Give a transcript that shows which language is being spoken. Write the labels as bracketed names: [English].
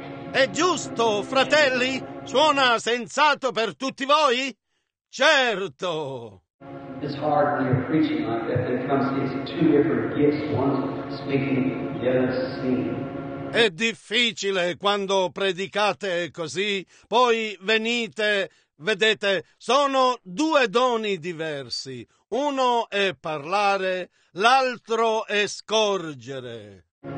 [Italian] È giusto, fratelli? Suona sensato per tutti voi? Certo! [English] It's hard when you're preaching like that. It comes, it's two different gifts, one speaking, the other singing. [Italian] È difficile quando predicate così, poi venite, vedete, sono due doni diversi. Uno è parlare, l'altro è scorgere.